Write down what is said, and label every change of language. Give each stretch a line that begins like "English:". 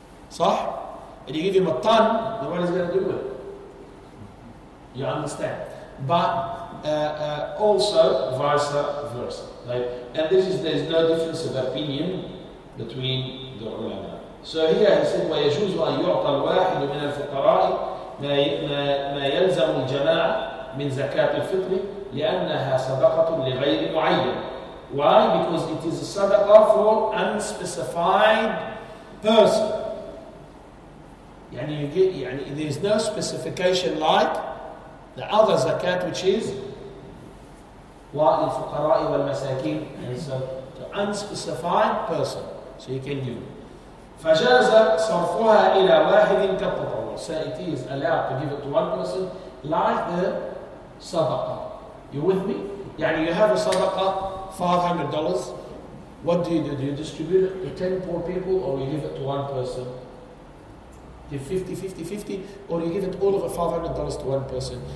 Arabic: صح?
English: And you give him a ton, then what is he going to do with it? You understand? But also vice versa. Right? And this is, there's no difference of opinion between the ulama. So here he said,
Arabic: ويجوز أن يعطى الواحد من الفقراء ما يلزم الجماعة من زكاة الفطر لأنها صدقة لغير معين.
English: Why? Because it is a sadaqah for unspecified person. يعني there is no specification like the other zakat, which is
Arabic: للفقراء والمساكين.
English: And so to unspecified person, so you can do.
Arabic: فجاز صرفها إلى واحد كالتطوع.
English: So it is allowed to give it to one person like the sadaqah. You with me? يعني you have a sadaqah, $500. What do you do? Do you distribute it to 10 poor people or you give it to one person? You give 50-50-50 or you give it all of the $500 to one person?